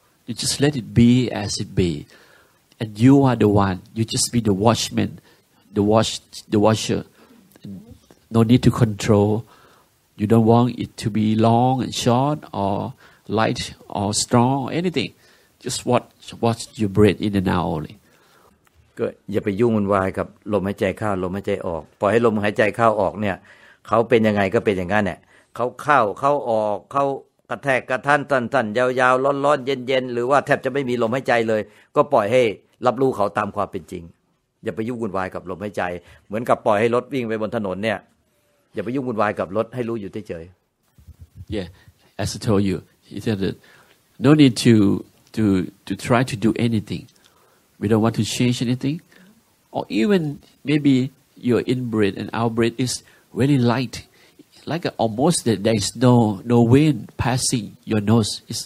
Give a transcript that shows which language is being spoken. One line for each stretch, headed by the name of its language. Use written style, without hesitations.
English: You just let it be as it be. And you are the one. You just be the watchman, the washer. No need to control You don't want it to be long and short or light or strong or anything. Just watch your breath in and out only.
Thai: ก็อย่าไปยุ่งวุ่นวายกับลมหายใจเข้าลมหายใจออกปล่อยให้ลมหายใจเข้าออกเนี่ยเขาเป็นยังไงก็เป็นอย่างนั้นเนี่ยเขาเข้าเขาออกเขากระแทกกระทันตันตันยาวๆร้อนๆเย็นๆหรือว่าแทบจะไม่มีลมหายใจเลยก็ปล่อยให้รับรู้เขาตามความเป็นจริงอย่าไปยุ่งวุ่นวายกับลมหายใจเหมือนกับปล่อยให้รถวิ่งไปบนถนนเนี่ยอย่าไปยุ่งวุ่นวายกับรถให้รู้อยู่เฉย
English: ๆ Yeah, as I told you, he said that no need to try to do anything. We don't want to change anything. Or even maybe your in-breath and out-breath is really light. Like almost that there is no wind passing your nose.